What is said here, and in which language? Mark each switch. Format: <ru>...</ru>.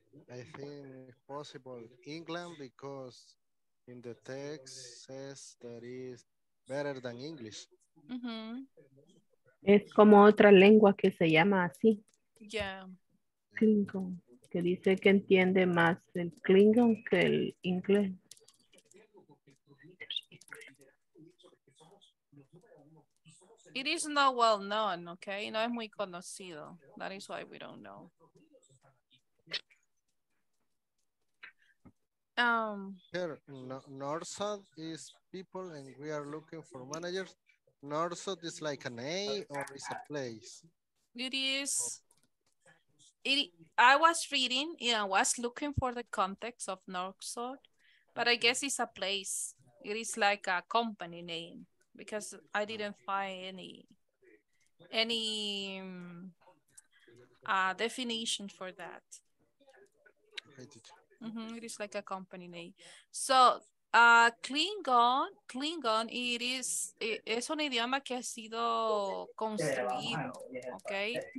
<en>I think it's possible England, because in the text says that is better than English. Mm-hmm.</en> <es>Es como otra lengua que se llama así. Yeah. Klingon, que dice que entiende más el Klingon que el inglés.</es> <en>It is not well known, okay?</en> <es>No es muy conocido.</es> <en>That is why we don't know. Here, Norsod is people and we are looking for managers. Norsod is like an A or is a place? It is. I was reading and I was looking for the context of Norsod, but I guess it's a place. It is like a company name because I didn't find any definition for that. Mm-hmm, it is like a company name.</en> <es>So Klingon, es un idioma que ha sido construido, okay?</es>